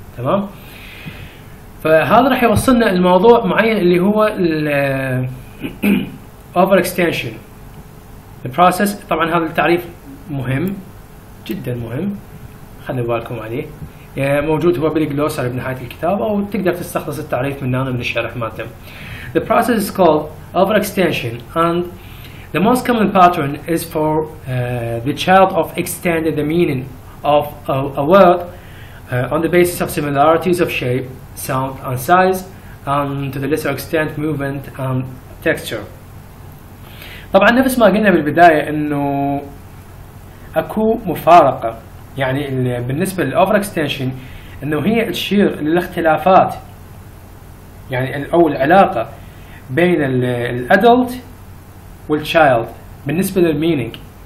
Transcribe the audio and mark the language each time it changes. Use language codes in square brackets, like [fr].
[ar] تمام؟ فهذا راح يوصلنا الموضوع معين اللي هو الـ over extension the process. طبعا هذا التعريف مهم جدا مهم خلي بالكم عليه موجود هو بالجلوسر بنهاية الكتاب أو تقدر تستخلص التعريف من هنا من الشرح مالته. [en] The process is called overextension and the most common pattern is for the child of extending the meaning of a word on the basis of similarities of shape, sound and size and to the lesser extent movement and texture. [ar] طبعا نفس ما قلنا بالبداية إنه أكو مفارقة يعني بالنسبة للأوفر إكستنشن إنه هي تشير للاختلافات يعني أو العلاقة بين الأدلت والتشايلد بالنسبة للمينينج.